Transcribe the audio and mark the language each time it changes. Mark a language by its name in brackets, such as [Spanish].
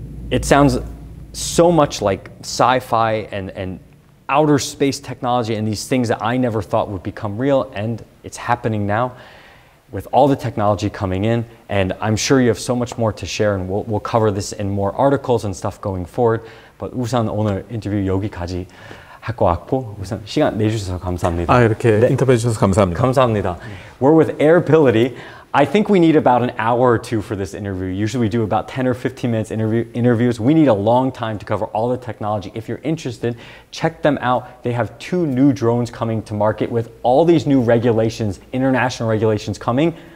[English] It sounds so much like sci-fi and outer space technology and these things that I never thought would become real, and it's happening now with all the technology coming in. And I'm sure you have so much more to share, and we'll cover this in more articles and stuff going forward. [Korean] But 우선 오늘 인터뷰 여기까지 할 것 같고 우선 시간 내주셔서 감사합니다. 아 이렇게 네. 인터뷰 주셔서 감사합니다. 감사합니다. [English] We're with Airbility. I think we need about an hour or two for this interview. Usually we do about 10 or 15 minutes interviews. We need a long time to cover all the technology. If you're interested, check them out. They have two new drones coming to market with all these new regulations, international regulations coming.